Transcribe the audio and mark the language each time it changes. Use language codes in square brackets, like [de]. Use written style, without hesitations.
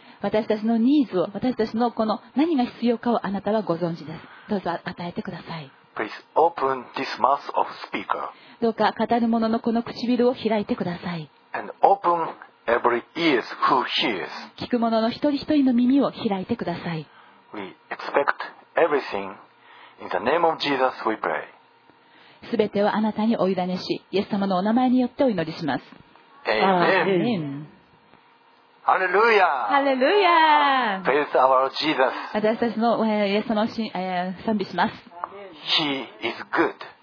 [ja] 私たちのニーズを、私たちのこの何が必要かをあなたはご存知です。どうぞ与えてください。 [en] Please open this mouth of speaker. [ja] どうか語る者のこの唇を開いてください。 [en] And open every ears who hears. [ja] 聞く者の一人一人の耳を開いてください。 [en] We expect everything in the name of Jesus we pray. [ja] すべてをあなたにお委ねし、イエス様のお名前によってお祈りします。 Amen. ハレルヤ。ハレルヤ。 [en] Praise our Jesus。 [ja] 私たちのイエス様を賛美します。 [en] He is good。